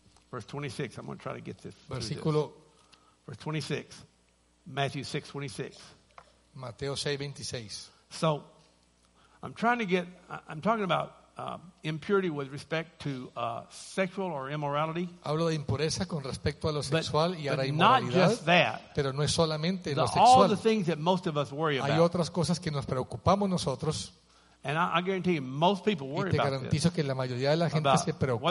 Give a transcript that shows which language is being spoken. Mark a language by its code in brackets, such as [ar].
[en] Verse 26. I'm going to try to get this. [es] Versículo. [en] Verse 26. Matthew 6:26. [es] Mateo 6:26. [en] So, I'm trying to get. I'm talking about impurity with respect to sexual or immorality. [es] Hablo de impureza con respecto a lo sexual [en] but, [es] y a la [en] inmoralidad. But not just that. [es] Pero no es solamente lo sexual. [en] All the things that most of us worry about. [es] Hay otras cosas que nos preocupamos nosotros. [en] And I guarantee you, most people worry about this. [es] Y te garantizo que la mayoría de la gente se preocupa